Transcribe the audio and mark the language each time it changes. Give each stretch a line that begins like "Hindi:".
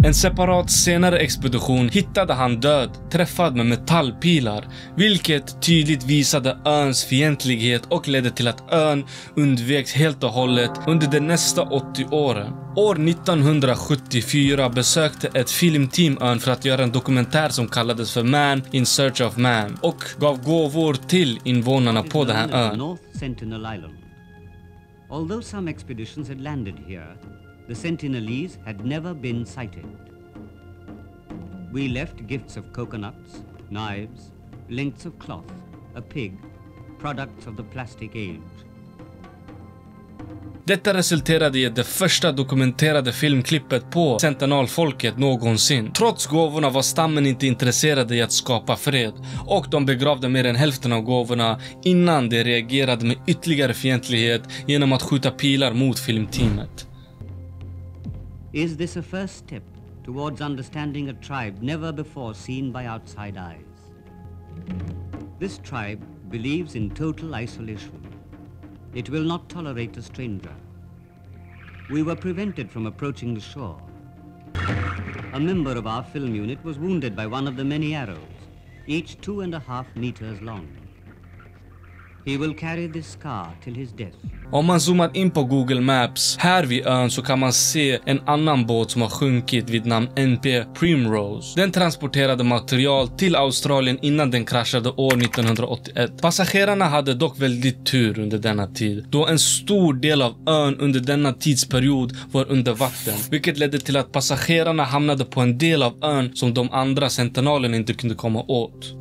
Swedish: En separat senare expedition hittade han död, träffad med metallpilar, vilket tydligt visade öns fientlighet och ledde till att ön undveks helt och hållet under de nästa 80 åren. År 1974 besökte ett filmteam ön för att göra en dokumentär som kallades för Man in Search of Man och gav gåvor till invånarna på den här ön.
English: North Sentinel Island. Although some expeditions had landed here, the Sentinelese had never been sighted. We left gifts of coconuts, knives, lengths of cloth, a pig, products of the plastic age.
Swedish: Detta resulterade i det första dokumenterade filmklippet på Sentinelfolket någonsin. Trots gåvorna var stammen inte intresserade i att skapa fred och de begravde mer än hälften av gåvorna innan de reagerade med ytterligare fientlighet genom att skjuta pilar mot filmteamet.
English: Is this a first step towards understanding a tribe never before seen by outside eyes? This tribe believes in total isolation. It will not tolerate a stranger. We were prevented from approaching the shore. A member of our film unit was wounded by one of the many arrows, each 2.5 meters long. He will carry this scar till his death.
Swedish: Om man zoomar in på Google Maps här vid ön så kan man se en annan båt som har sjunkit vid namn NP Primrose. Den transporterade material till Australien innan den kraschade år 1981. Passagerarna hade dock väldigt tur under denna tid, då en stor del av ön under denna tidsperiod var under vatten, vilket ledde till att passagerarna hamnade på en del av ön som de andra sentinalerna inte kunde komma åt.